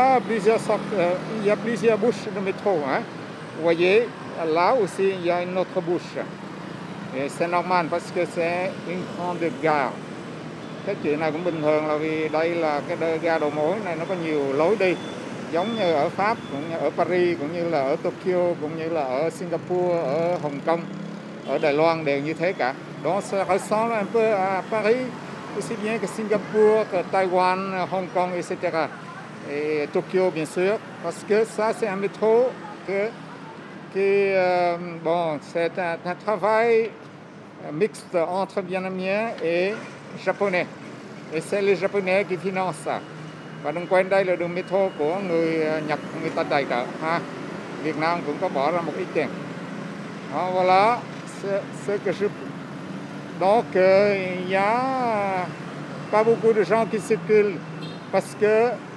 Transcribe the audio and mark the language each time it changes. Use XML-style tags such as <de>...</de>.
<fr>Il y a plusieurs bouches de métro. Vous voyez, là aussi, il y a une autre bouche. Et c'est normal parce que c'est une grande gare.</fr> <vi>Cái chuyện này cũng bình thường là vì đây là cái ga đầu mối này, nó có nhiều lối đi. Giống như ở Pháp, cũng như ở Paris, cũng như là ở Tokyo, cũng như là ở Singapore, ở Hồng Kông, ở Đài Loan đều như thế cả. Đó sẽ ở sáng là ở</vi> <fr>Paris, aussi bien que Singapore, que Taiwan, Hong Kong, etc. Et Tokyo, bien sûr. Parce que ça, c'est un métro qui c'est un travail mixte entre Vietnamiens et Japonais. Et c'est les Japonais qui financent ça.</fr> <vi>Và đừng quên đây là đường métro của người Nhật, người ta tài trợ ha. Việt Nam cũng có bỏ ra một ít tiền.</vi> <fr>Voilà, c'est que je... Donc, il y a pas beaucoup de gens qui circulent parce que</fr>